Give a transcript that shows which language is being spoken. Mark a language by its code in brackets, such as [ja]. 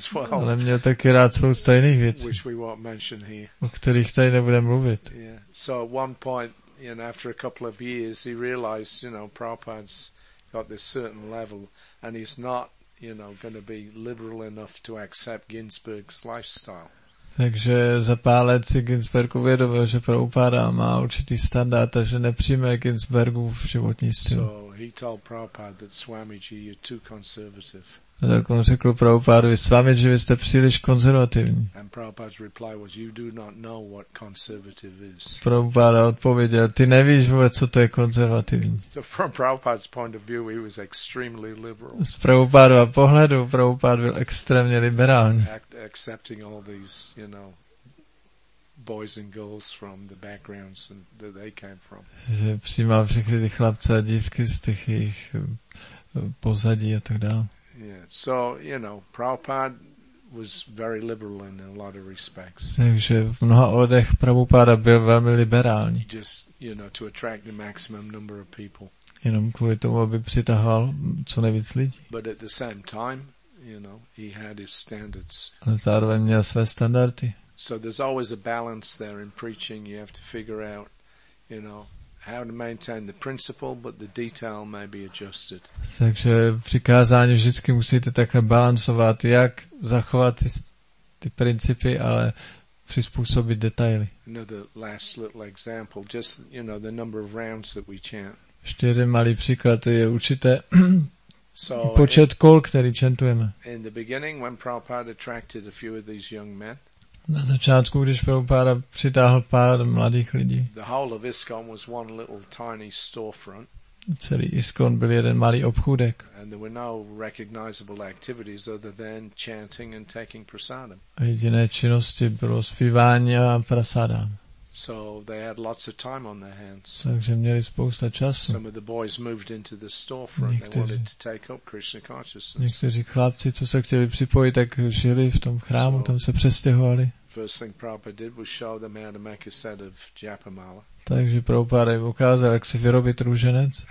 [cs] Ale měl taky rád spousta jiných věcí, o kterých tady nebudeme mluvit. [en] So at one point, you know, after a couple of years, he realized, you know, Prabhupada's got this certain level, and he's not, you know, going to be liberal enough to accept Ginsberg's lifestyle. [cs] Takže za pár let si Ginsberg uvědomil, že Prabhupada má určitý standard, takže nepřijme Ginsbergu v životní styl. [en] So he told Prabhupada that Swamiji, you're too conservative. [cs] A tak on řekl Prabhupádovi, Swamiji, vy jste příliš konzervativní. [en] And Prabhupada's reply was, you do not know what conservative is. [cs] Prabhupada odpověděl, ty nevíš vůbec, co to je konzervativní. [en] So from Prabhupada's point of view, he was extremely liberal. [cs] Z Prabhupádova pohledu, Prabhupada byl extrémně liberální. [en] Accepting all these, you know, boys and girls from the backgrounds and that they came from. [cs] Že přijímal všechny ty chlapce a dívky z těch jejich pozadí a tak dále. [en] Yeah, so, you know, Prabhupada was very liberal in a lot of respects. [cs] Takže v mnoha ohledech Prabhupada byl velmi liberální. [en] Just, you know, to attract the maximum number of people. [cs] Jenom kvůli tomu, aby přitahoval co nejvíc lidí. [en] But at the same time, you know, he had his standards. [cs] Ale zároveň měl své standardy. [en] So there's always a balance there in preaching. You have to figure out, you know, how to maintain the principle, but the detail may be adjusted. [cs] Takže při kázání vždycky musíte takhle balancovat, jak zachovat ty principy, ale přizpůsobit detaily. [en] Another last little example, just, you know, the number of rounds that we chant. [cs] Ještě jeden malý příklad, to je určité počet kol, který chantujeme. [en] In the beginning, when Prabhupada attracted a few of these young men, [cs] Na začátku, když Prabhupada přitáhl pár mladých lidí. [en] The whole of ISKCON was one little tiny storefront. [cs] Celý ISKCON byl jeden malý obchůdek. [en] And there were no recognizable activities other than chanting and taking prasadam. [cs] A jediné činnosti bylo zpívání a prasadam. [en] So they had lots of time on their hands. [cs] Takže měli spousta času. [en] Some of the boys moved into the storefront. [cs] Někteří, [en] they wanted to take up Krishna consciousness. [cs] Někteří chlapci, co se chtěli připojit, tak žili v tom chrámu, so tam se přestěhovali. [en] First thing Prabhupada did was show them how to make a set of japamala. Takže Prabhupada jim ukázal, jak si vyrobit růženec.